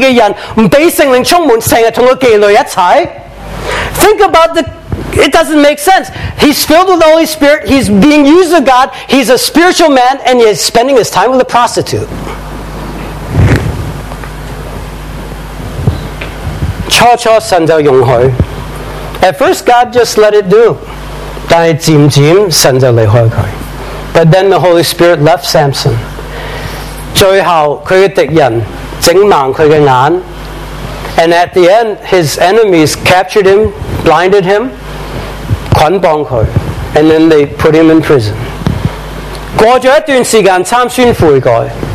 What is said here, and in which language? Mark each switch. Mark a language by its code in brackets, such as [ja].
[zh] 你想想，很矛盾，一个属灵恩赐的人，不被圣灵充满，成日跟个妓女一起。 [en] Think about the, it doesn't make sense. He's filled with the Holy Spirit, he's being used of God, he's a spiritual man, and he's spending his time with a prostitute. [zh] 初初神就容許, [en] at first God just let it do, [zh] 但是漸漸神就離開他, [en] but then the Holy Spirit left Samson. [zh] 最後他的敵人整盲他的眼, [en] and at the end his enemies captured him, blinded him, [zh] 捆綁他, [en] and then they put him in prison. [zh] 過了一段時間參孫悔改,